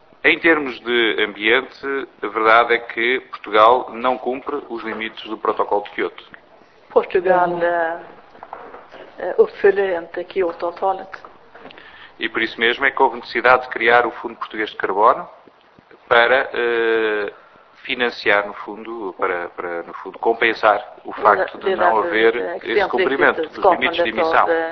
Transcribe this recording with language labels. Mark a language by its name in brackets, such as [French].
[Portuguese] Em termos de ambiente, a verdade é que Portugal não cumpre os limites do protocolo de Kyoto. [Swedish] Portugal uppfyller inte Kyoto-avtalet. [Portuguese] E por isso mesmo é que houve necessidade de criar o Fundo Português de Carbono. Para financiar, no fundo, para no fundo compensar o facto de não haver esse cumprimento dos limites de emissão.